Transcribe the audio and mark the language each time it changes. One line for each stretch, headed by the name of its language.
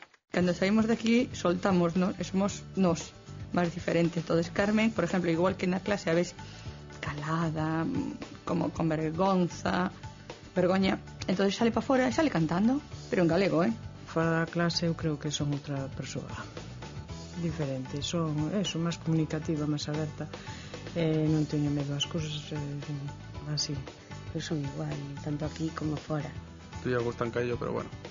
Galician: Cando saímos de aquí, soltamos, ¿no? E somos nos máis diferentes. Todo es Carmen, por exemplo, igual que na clase, a veces, calada, como con vergoña. Entonces sale para fora e sale cantando, pero en galego, Fora da clase eu creo que son outra persoa diferente, son eso, máis comunicativa, máis aberta. Non teño medo ás cousas, así. Pero son igual, tanto aquí como fora.
Spanish: Estoy algo estancado, pero bueno.